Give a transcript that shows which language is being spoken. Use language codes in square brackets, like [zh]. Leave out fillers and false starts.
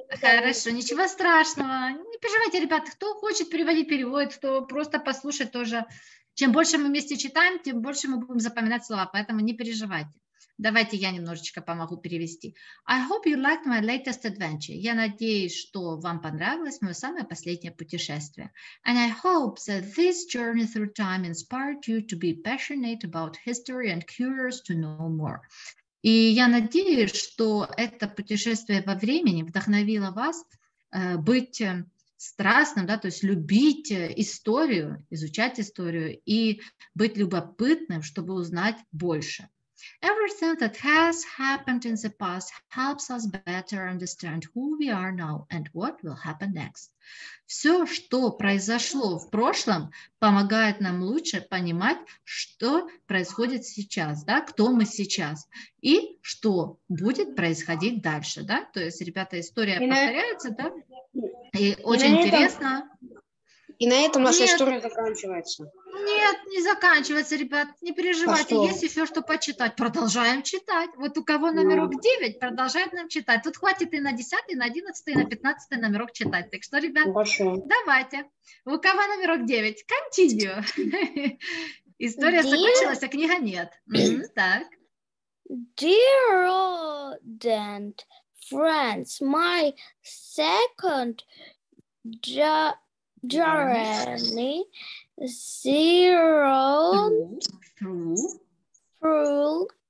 [ru] Хорошо, ничего страшного. Не переживайте, ребята, кто хочет переводить, переводит, кто просто послушает тоже. Чем больше мы вместе читаем, тем больше мы будем запоминать слова, поэтому не переживайте. Давайте я немножечко помогу перевести. [en] I hope you liked my latest adventure. [ru] Я надеюсь, что вам понравилось мое самое последнее путешествие. [en] And I hope that this journey through time inspired you to be passionate about history and curious to know more. [ru] И я надеюсь, что это путешествие во времени вдохновило вас быть страстным, да, то есть любить историю, изучать историю и быть любопытным, чтобы узнать больше. [en] Everything that has happened in the past helps us better understand who we are now and what will happen next. [ru] Все, что произошло в прошлом, помогает нам лучше понимать, что происходит сейчас, да, кто мы сейчас и что будет происходить дальше, да. То есть, ребята, история повторяется, да, и очень интересно. И на этом наша история заканчивается. Нет, не заканчивается, ребят. Не переживайте, есть еще что почитать. Продолжаем читать. Вот у кого номерок 9, продолжает нам читать. Тут хватит и на 10, и на 11, и на 15 номерок читать. Так что, ребят, давайте. У кого номерок 9? [en] Continue. [ru] История закончилась, а книга нет. Так. [en] Dear old and friends, my second journey zero through